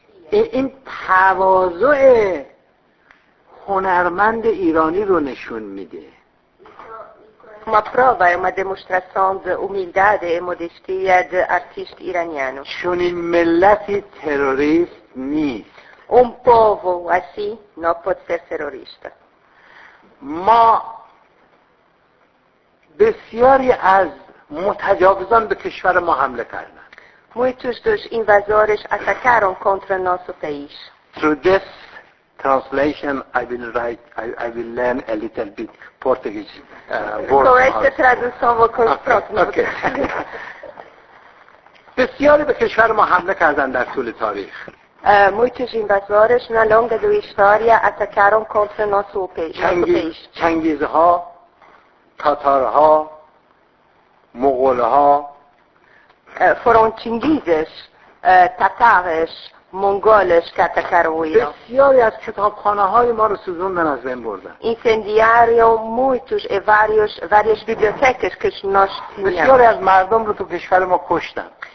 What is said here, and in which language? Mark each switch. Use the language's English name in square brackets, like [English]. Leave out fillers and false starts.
[Persian] این تواضع هنرمند ایرانی رو نشون میده. [Portuguese] Uma prova é uma demonstração de humildade e modestia de artista iraniano. [Persian] چون این ملتی تروریست نیست. [Portuguese] Um povo assim não pode ser terrorista. [Persian] ما بسیاری از متجاوزان به کشور ما حمله کردند. [Portuguese] Muitos dos invasores atacaram contra nosso país. [English] Through this translation, I will learn a little bit Portuguese. [Portuguese] Com esta tradução vou começar. Okay. [Persian] بسیاری به کشور ما حمله کردند در طول تاریخ. [Portuguese] Muitos invasores na longa da história atacaram contra nosso país. [Persian] Chengiz ها, Tatar ها, mongol-ha, [Portuguese] foram tinguizes, tatares, mongoles que atacaram o Irã. [Persian] بسیاری از کتابخانه‌های ما رو سوزوندن از بین بردن. [Portuguese] Incendiaram muitos e vários, várias bibliotecas que nós tínhamos. [Persian] بسیاری از مردم رو تو کشور ما کشتن.